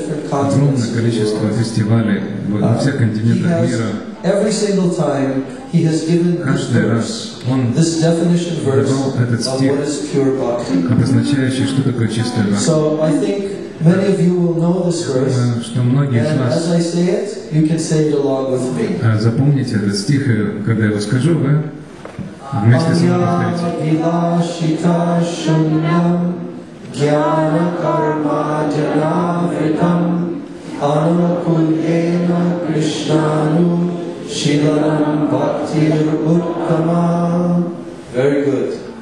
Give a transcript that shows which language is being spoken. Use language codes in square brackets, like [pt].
[ru] Огромное количество фестивалей во всех континентах мира. [en] Every single time he has given this definition verse of what is pure bhakti. [ru] Обозначающий, что такое чистая бхакти. [en] So I think many of you will know this verse. And as I say it, you can say it along with me. [ru] Запомните этот стих, когда я вам скажу, вы вместе со мной повторите. [sa] Jnana-karma-janavitam anukulyena-krishnanu-shilanam-bhaktir-uttamam. [en] Very good.